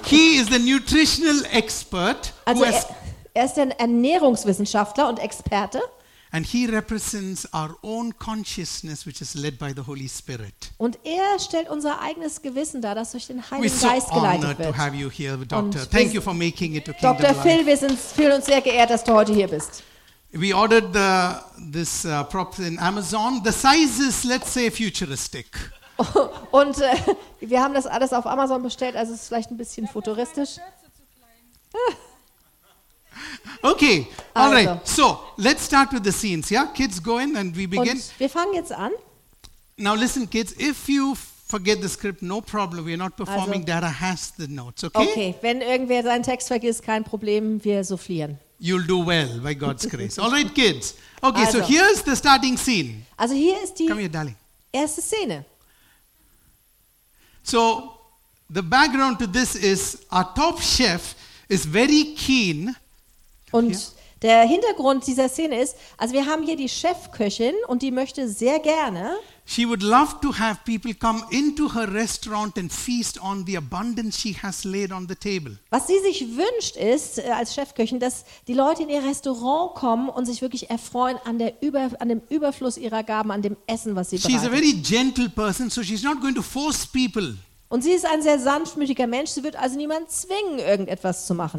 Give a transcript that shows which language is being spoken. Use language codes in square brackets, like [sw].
[en] He is the nutritional expert. [de] Also er ist ein Ernährungswissenschaftler und Experte. [en] And he represents our own consciousness, which is led by the Holy Spirit. [de] Und er stellt unser eigenes Gewissen dar, das durch den Heiligen Geist geleitet wird. [en] We're so honored to have you here, Doctor. Thank you for making it to Kingdom Life. Dr. [de] Phil, wir fühlen uns sehr geehrt, dass du heute hier bist. [en] We ordered this props in Amazon. The size is, let's say, futuristic. [de] Und wir haben das alles auf Amazon bestellt, also es ist vielleicht ein bisschen futuristisch. [en] Okay, all also. Right. So let's start with the scenes. Yeah, kids, go in and we begin. [de] Und wir fangen jetzt an. [en] Now listen, kids. If you forget the script, no problem. We are not performing. Also. Dara has the notes. Okay. Okay. [de] Wenn irgendwer seinen Text vergisst, kein Problem. Wir soufflieren. [en] You'll do well by God's grace. All right, kids. Okay. Also. So here's the starting scene. [de] Also hier ist die. [en] Come here, darling. [de] Erste Szene. [en] So the background to this is our top chef is very keen. [de] Und der Hintergrund dieser Szene ist, also wir haben hier die Chefköchin und die möchte sehr gerne. [en] She would love to have people come into her restaurant and feast on the abundance she has laid on the table. [de] Was sie sich wünscht ist als Chefköchin, dass die Leute in ihr Restaurant kommen und sich wirklich erfreuen an dem Überfluss ihrer Gaben, an dem Essen, was sie bereitet. [en] She's a very gentle person, so she's not going to force people. [de] Und sie ist ein sehr sanftmütiger Mensch, sie wird also niemanden zwingen, irgendetwas zu machen.